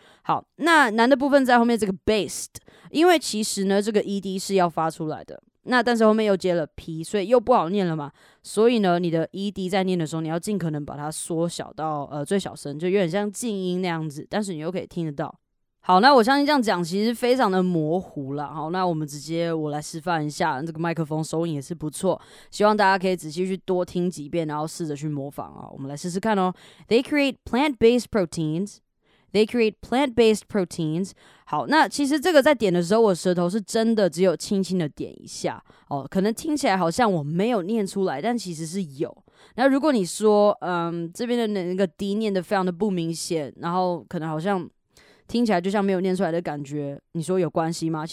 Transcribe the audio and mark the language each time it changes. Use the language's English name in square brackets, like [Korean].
[Chinese] 好，那难的部分在后面这个 based， 因为其实呢这个 ed 是要发出来的，那但是后面又接了 p， 所以又不好念了嘛，所以呢你的 ed 在念的时候，你要尽可能把它缩小到最小声，就有点像静音那样子，但是你又可以听得到。好，那我相信这样讲其实非常的模糊啦。好，那我们直接我来示范一下，这个麦克风收音也是不错，希望大家可以仔细去多听几遍，然后试着去模仿啊，我们来试试看哦。 [English] They create plant based proteinsThey create plant-based proteins. [Chinese] 好，那其实这个在点的时候，我舌头是真的只有轻轻的点一下哦，可能听起来好像我没有念出来，但其实是有。那如果你说，这边的那个 D 念的非常的不明显，然后可能好像听起来就像没有念出来的感觉，你说有关系吗？